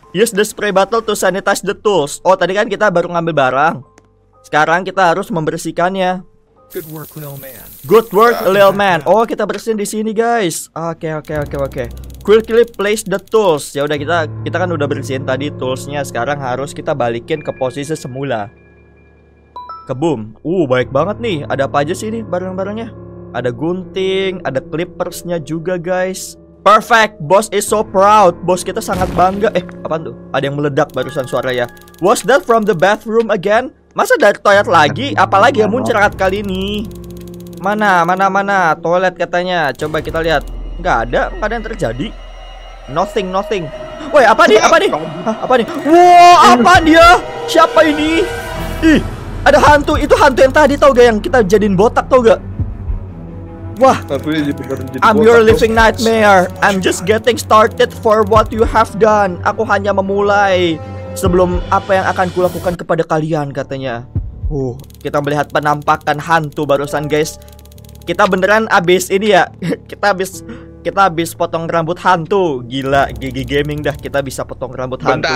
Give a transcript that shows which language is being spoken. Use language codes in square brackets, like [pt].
[en] Use the spray bottle to sanitize the tools. [id] Tadi kan kita baru ngambil barang. Sekarang kita harus membersihkannya. [en] Good work, little man. Good work, little man. [id] Kita bersihin di sini, guys. Oke. [en] Quickly place the tools. [id] Ya udah kita kan udah bersihin tadi toolsnya. Sekarang harus kita balikin ke posisi semula. Kebum. Baik banget nih. Ada apa aja sih ini barang-barangnya? Ada gunting, ada clippersnya juga, guys. Perfect. [en] Boss is so proud. [id] Bos kita sangat bangga. Apaan tuh? Ada yang meledak barusan suaranya. [en] Was that from the bathroom again? [id] Masa dari toilet lagi? Apalagi yang muncrat kali ini? Mana toilet katanya? Coba kita lihat. Gak ada yang terjadi. Nothing. Woi, apa nih? Apa dia? Siapa ini? Ada hantu. Itu hantu yang tadi tau gak yang kita jadiin botak tau gak? Wah, [en] I'm your living nightmare. I'm just getting started for what you have done. [id] Aku hanya memulai sebelum apa yang akan kulakukan kepada kalian katanya. Kita melihat penampakan hantu barusan, guys. Kita beneran abis ini ya. Kita abis potong rambut hantu. Gila, GG Gaming dah, kita bisa potong rambut hantu.